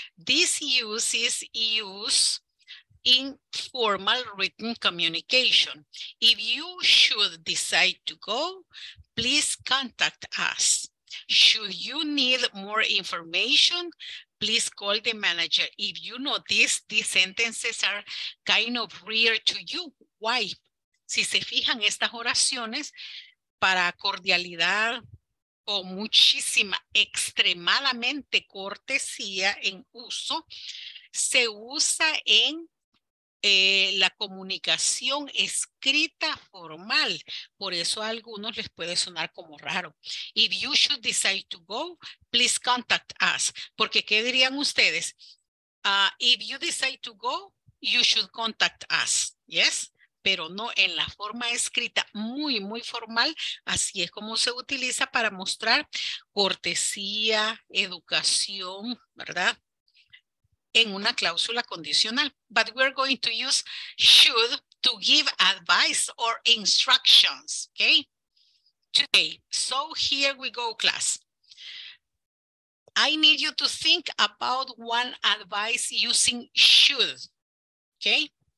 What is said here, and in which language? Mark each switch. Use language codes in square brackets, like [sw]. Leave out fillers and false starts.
[en] This use is used in formal written communication. If you should decide to go, please contact us. Should you need more information, please call the manager. If you notice, these sentences are kind of weird to you. Why? [es] Si se fijan estas oraciones, para cordialidad o muchísima, extremadamente cortesía en uso, se usa en la comunicación escrita formal. Por eso a algunos les puede sonar como raro. [en] If you should decide to go, please contact us. [es] Porque, ¿qué dirían ustedes? [en] If you decide to go, you should contact us. Yes? [es] Pero no en la forma escrita, muy, muy formal. Así es como se utiliza para mostrar cortesía, educación, ¿verdad? En una cláusula condicional. [en] But we're going to use should to give advice or instructions, okay? Today, so here we go, class. I need you to think about one advice using should, okay?